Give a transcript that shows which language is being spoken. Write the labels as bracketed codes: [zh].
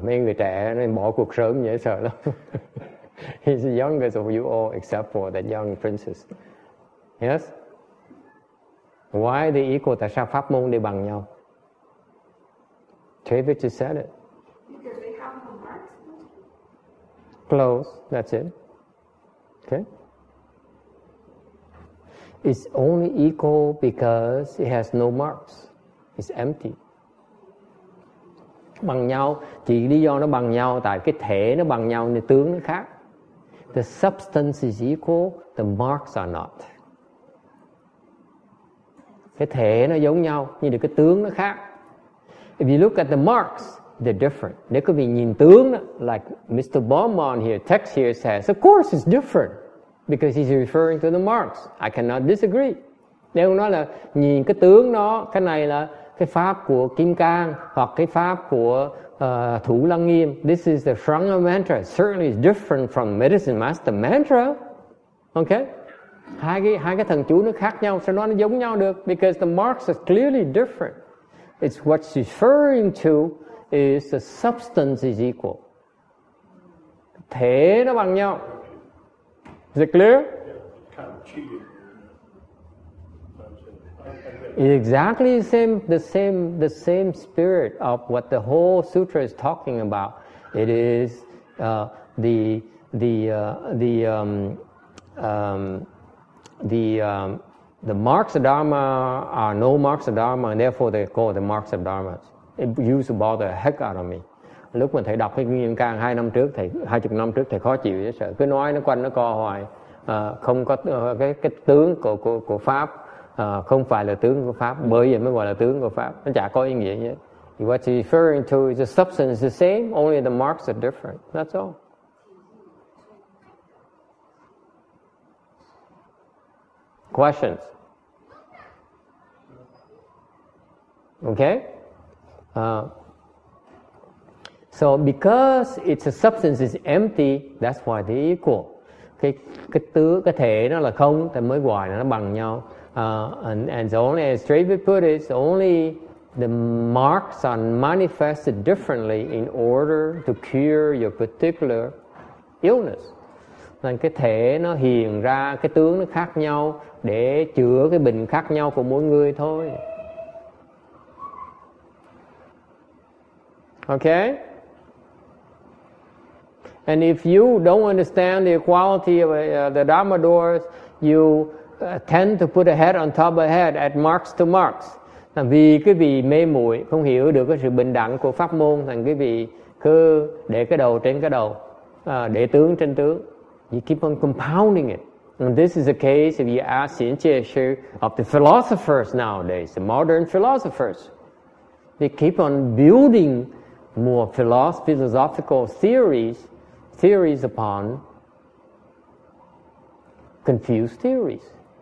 [vi] Mấy người trẻ nên bỏ cuộc sớm dễ sợ lắm. [en] He's the youngest of you all, except for that young princess. Yes. Why the equal? Tại sao pháp môn đều bằng nhau? David just said it. Because they have no marks. Close, that's it. Okay. It's only equal because it has no marks. It's empty. [vi] bằng nhau, chỉ lý do nó bằng nhau tại cái thể nó bằng nhau nên tướng nó khác. [en] The substance is equal, the marks are not. [vi] Cái thể nó giống nhau nhưng cái tướng nó khác. [en] If you look at the marks, they're different. [vi] Nếu quý vị nhìn tướng, [en] like Mr. Bauman here, text here says, of course it's different because he's referring to the marks. I cannot disagree. [vi] Nếu nó là nhìn cái tướng nó, cái này là cái pháp của Kim Cang hoặc cái pháp của Thủ Lăng Nghiêm. [en] This is the Sangha mantra. Certainly is different from Medicine Master mantra. Okay? [vi] Hai cái thần chú nó khác nhau, sao nó giống nhau được? [en] Because the marks are clearly different. It's what she's referring to is the substance is equal. [vi] Thế nó bằng nhau. [en] Is it clear? Yeah, kind of cheating. Exactly the same spirit of what the whole sutra is talking about. It is the marks of dharma are no marks of dharma, and therefore they call the marks of dharma. It used to bother the heck out of me. [vi] Lúc mà thầy đọc cái Kim Cang 20 năm trước thầy khó chịu chứ, cứ nói nó quanh nó co hoài, không có cái tướng của pháp. Không phải là tướng của pháp, bởi vậy mới gọi là tướng của pháp, nó chả có ý nghĩa nhé. [en] What you're referring to is the substance is the same, only the marks are different. That's all. Questions? Okay. So because it's a substance is empty, that's why they're equal. [vi] Cái thể nó là không, thì mới gọi là nó bằng nhau. [en] And straight we put it, only the marks are manifested differently in order to cure your particular illness. [vi] Nên cái thể nó hiện ra, cái tướng nó khác nhau để chữa cái bệnh khác nhau của mỗi người thôi. [en] Okay? And if you don't understand the equality of the Dharma doors, you tend to put a head on top of a head at marks to marks. [vi] Là vì quý vị mê muội không hiểu được cái sự bình đẳng của pháp môn, thành quý vị cứ để cái đầu trên cái đầu, để tướng trên tướng. [en] You keep on compounding it. And this is the case if you ask the issue of the philosophers nowadays, the modern philosophers. They keep on building more philosophical theories upon confused theories.